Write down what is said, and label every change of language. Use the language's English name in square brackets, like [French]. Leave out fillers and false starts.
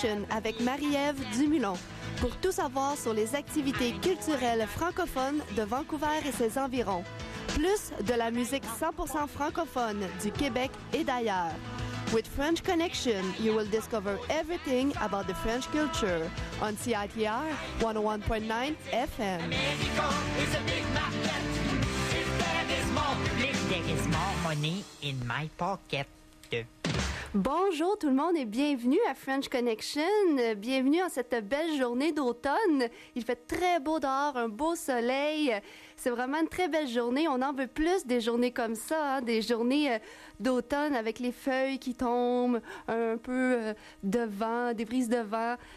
[French] Avec Marie-Ève Dumoulin pour tout savoir sur les activités culturelles francophones de Vancouver et ses environs, plus de la musique 100% francophone du Québec et d'ailleurs. [English] With French Connection, you will discover everything about the French culture on CITR 101.9 FM. [French] Bonjour tout le monde et bienvenue à French Connection. Bienvenue en cette belle journée d'automne. Il fait très beau dehors, un beau soleil. C'est vraiment une très belle journée. On en veut plus des journées comme ça, hein, des journées d'automne avec les feuilles qui tombent, un peu de vent, des brises de vent.